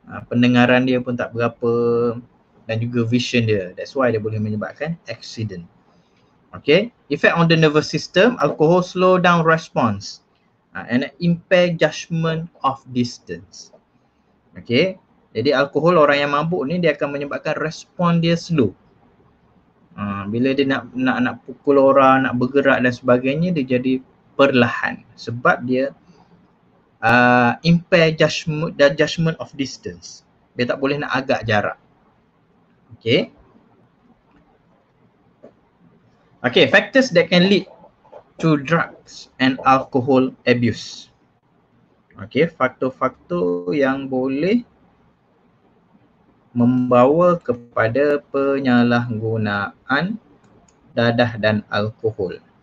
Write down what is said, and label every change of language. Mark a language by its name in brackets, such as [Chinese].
[Malay] Pendengaran dia pun tak berapa dan juga vision dia. That's why dia boleh menyebabkan accident. [English] Okay, effect on the nervous system, alcohol slow down response and impair judgment of distance. [Malay] Okay, jadi alkohol, orang yang mabuk ni dia akan menyebabkan respon dia slow. Bila dia nak pukul orang, nak bergerak dan sebagainya, dia jadi perlahan sebab dia [English] impair judgment of distance. [Malay] Dia tak boleh nak agak jarak. [English] Okay. Okay, factors that can lead to drugs and alcohol abuse. [Malay] Okay, faktor-faktor yang boleh membawa kepada penyalahgunaan dadah dan alkohol.